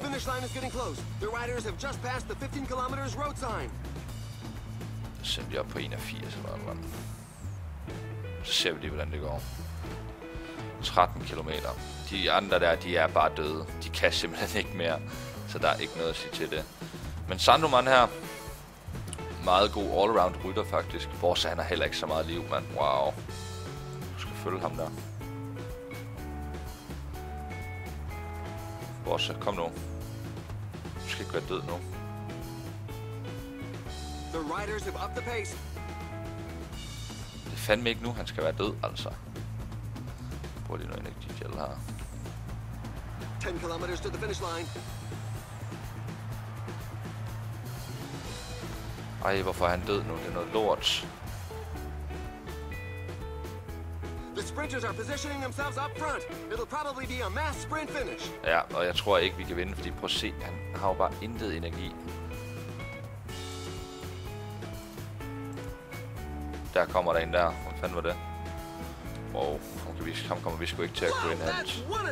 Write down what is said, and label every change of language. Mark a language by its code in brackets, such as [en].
[en] The finish line is getting close. The riders have just passed the 15 kilometers road sign. [da] Sendt jeg op på 81 eller noget. Så ser vi lige, hvordan det går. 13 kilometer. De andre der, de er bare døde. De kan simpelthen ikke mere. Så der er ikke noget at sige til det. Men Sandoman her. Meget god allround rytter faktisk. Borsa, han har heller ikke så meget liv, mand. Wow. Du skal følge ham der. Borsa, kom nu. Du skal ikke være død nu. [en] The riders have upped the pace. [da] Det er fandme ikke nu, han skal være død, altså. Prøv lige noget energi gel her. [en] 10 kilometers to the finish line. [da] Ej, hvorfor er han død nu? Det er noget lort. [en] The sprinters are positioning themselves up front. It'll probably be a mass sprint finish. [da] Ja, og jeg tror ikke, vi kan vinde, fordi prøv at se, han har jo bare intet energi. Der kommer der en der. Hvad fanden var det? Wow, ham kommer vi sgu ikke til at gå ind hans.